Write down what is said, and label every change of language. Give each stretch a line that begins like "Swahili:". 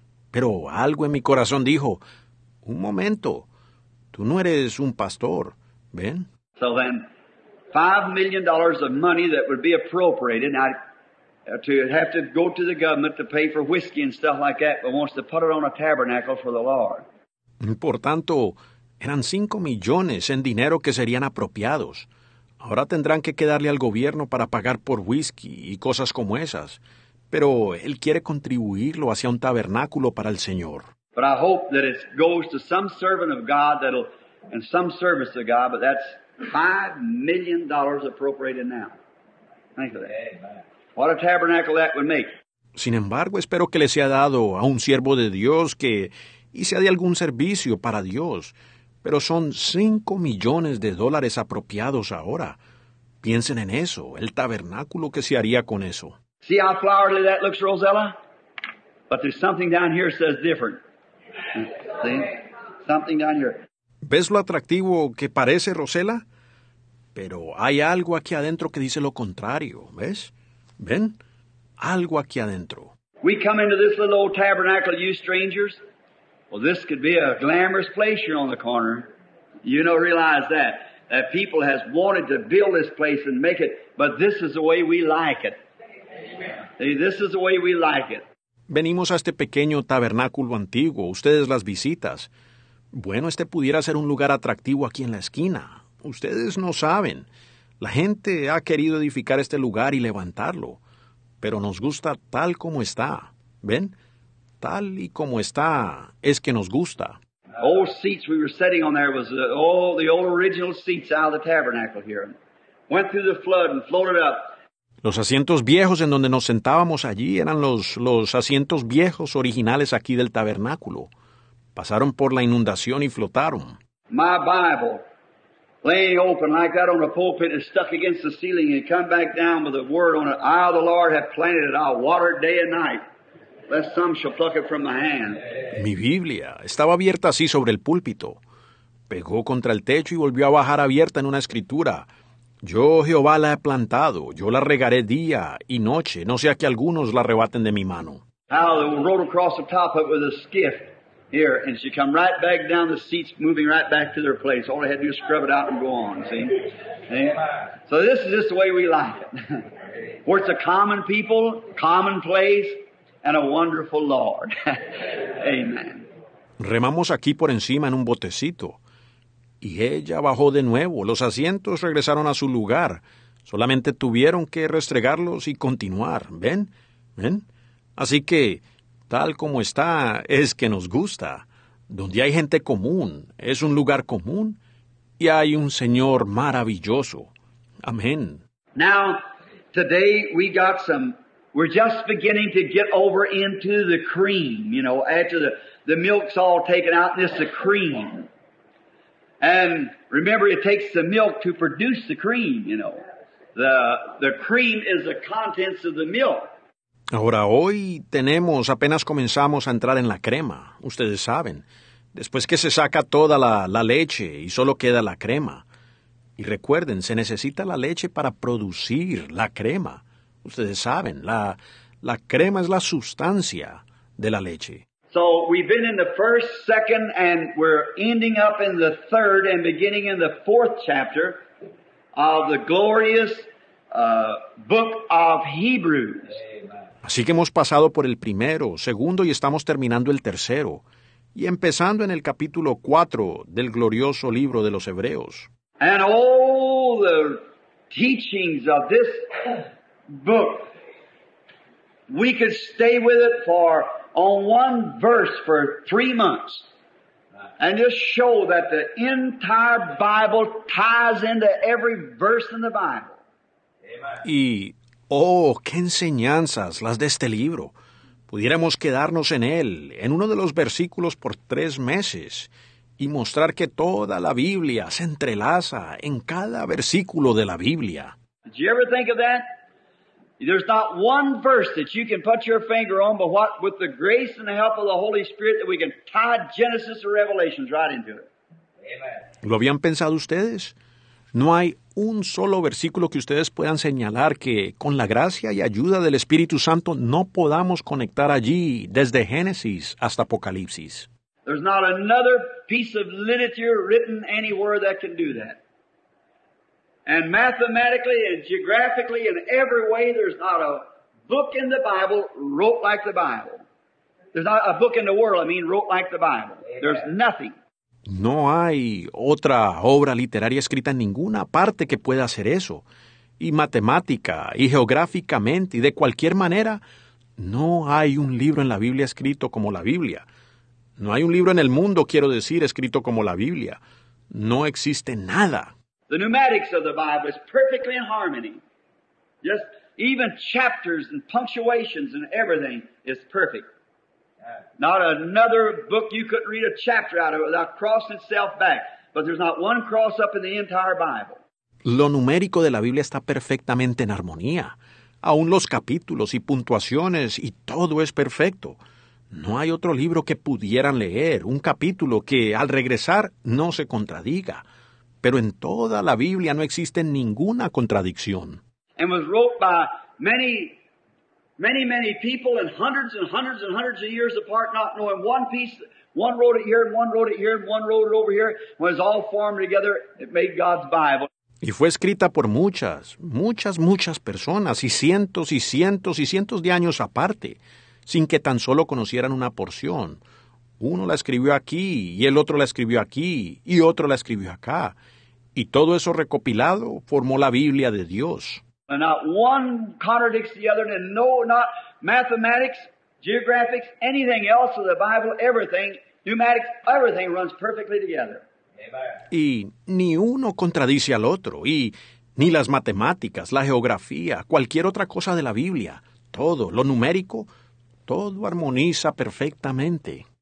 Spanish: Pero algo en mi corazón dijo, un momento, tú no eres un pastor, ¿ven?
English: So then, $5 million of money that would be appropriated, and I'd have to go to the government to pay for whiskey and stuff like that, but wants to put it on a tabernacle for the Lord.
Spanish: Por tanto, eran 5 millones en dinero que serían apropiados. Ahora tendrán que quedarle al gobierno para pagar por whisky y cosas como esas. Pero él quiere contribuirlo hacia un tabernáculo para el Señor.
English: But I hope that it goes to some servant of God that'll and some service of God, but that's $5 million appropriated now. Think of that. What a tabernacle that would make.
Spanish: Sin embargo, espero que le sea dado a un siervo de Dios que hice de algún servicio para Dios. Pero son $5 millones apropiados ahora. Piensen en eso, el tabernáculo que se haría con eso.
English: See how flowery that looks, Rosella? But there's something down here that says different. See? Something down here.
Spanish: ¿Ves lo atractivo que parece, Rosella? Pero hay algo aquí adentro que dice lo contrario, ¿ves? ¿Ven? Algo aquí adentro.
English: We come into this little old tabernacle, you strangers. Well, this could be a glamorous place here on the corner. You don't realize that. That people has wanted to build this place and make it, but this is the way we like it. Amen. See, this is the way we like it.
Spanish: Venimos a este pequeño tabernáculo antiguo. Ustedes las visitas. Bueno, este pudiera ser un lugar atractivo aquí en la esquina. Ustedes no saben. La gente ha querido edificar este lugar y levantarlo. Pero nos gusta tal como está. ¿Ven? Tal y como está, es que nos gusta.
English: Old seats we were sitting on there was all the old original seats out of the tabernacle here. Went through the flood and floated up.
Spanish: Los asientos viejos en donde nos sentábamos allí eran los asientos viejos originales aquí del tabernáculo. Pasaron por la inundación y flotaron.
English: My Bible, laying open like that on a pulpit and stuck against the ceiling and come back down with a word on it. I, the Lord, have planted it. I'll water it day and night, lest some shall pluck it from my hand.
Spanish: Mi Biblia estaba abierta así sobre el púlpito. Pegó contra el techo y volvió a bajar abierta en una escritura. Yo, Jehová, la he plantado. Yo la regaré día y noche, no sea que algunos la arrebaten de mi mano.
English: How they rode across the top of it with a skiff here, and she come right back down the seats, moving right back to their place. All they had to do was scrub it out and go on, see? Yeah. So this is just the way we like it. Where it's a common people, common place, and a wonderful Lord. Amen.
Spanish: Remamos aquí por encima en un botecito. Y ella bajó de nuevo. Los asientos regresaron a su lugar. Solamente tuvieron que restregarlos y continuar. ¿Ven? ¿Ven? Así que, tal como está, es que nos gusta. Donde hay gente común, es un lugar común, y hay un Señor maravilloso. Amén.
English: Now, today we got some, we're just beginning to get over into the cream, you know, after the milk's all taken out, and it's the cream. And remember, it takes the milk to produce the cream, you know. The cream is the contents of the milk.
Spanish: Ahora, hoy tenemos, apenas comenzamos a entrar en la crema, ustedes saben. Después que se saca toda la leche y solo queda la crema. Y recuerden, se necesita la leche para producir la crema. Ustedes saben, la crema es la sustancia de la leche.
English: So we've been in the first, second, and we're ending up in the third and beginning in the fourth chapter of the glorious book of Hebrews.
Spanish: Así que hemos pasado por el primero, segundo y estamos terminando el tercero, y empezando en el capítulo 4 del glorioso libro de los Hebreos.
English: And all the teachings of this book, we could stay with it for on one verse for 3 months, and just show that the entire Bible ties into every verse in the Bible. Amen.
Spanish: Oh, qué enseñanzas las de este libro. Pudiéramos quedarnos en él, en uno de los versículos por 3 meses, y mostrar que toda la Biblia se entrelaza en cada versículo de la Biblia.
English: Did you ever think of that? There's not one verse that you can put your finger on, but what, with the grace and the help of the Holy Spirit, that we can tie Genesis or Revelations right into it. Amen.
Spanish: ¿Lo habían pensado ustedes? No hay un solo versículo que ustedes puedan señalar que, con la gracia y ayuda del Espíritu Santo, no podamos conectar allí, desde Génesis hasta Apocalipsis.
English: There's not another piece of literature written anywhere that can do that. And mathematically and geographically in every way, there's not a book in the Bible wrote like the Bible. There's not a book in the world, I mean, wrote like the Bible. There's nothing.
Spanish: No hay otra obra literaria escrita en ninguna parte que pueda hacer eso. Y matemática, y geográficamente, y de cualquier manera, no hay un libro en la Biblia escrito como la Biblia. No hay un libro en el mundo, quiero decir, escrito como la Biblia. No existe nada.
English: The pneumatics of the Bible is perfectly in harmony. Just even chapters and punctuations and everything is perfect. Not another book you couldn't read a chapter out of without crossing itself back. But there's not one cross up in the entire Bible.
Spanish: Lo numérico de la Biblia está perfectamente en armonía. Aún los capítulos y puntuaciones y todo es perfecto. No hay otro libro que pudieran leer, un capítulo que al regresar no se contradiga. Pero en toda la Biblia no existe ninguna contradicción.
English: And was wrote by many, many, many people, and hundreds and hundreds and hundreds of years apart, not knowing one piece. One wrote it here, and one wrote it here, and one wrote it over here. When it was all formed together, it made God's Bible.
Spanish: Y fue escrita por muchas, muchas, muchas personas, y cientos y cientos y cientos de años aparte, sin que tan solo conocieran una porción. Uno la escribió aquí, y el otro la escribió aquí, y otro la escribió acá. Y todo eso recopilado formó la Biblia de Dios.
English: And not one contradicts the other, and no, not mathematics, geographics, anything else of the Bible, everything, pneumatics, everything runs perfectly together.
Spanish: Amen. Y ni uno contradice al otro, y ni las matemáticas, la geografía, cualquier otra cosa de la Biblia, todo, lo numérico, todo armoniza perfectamente.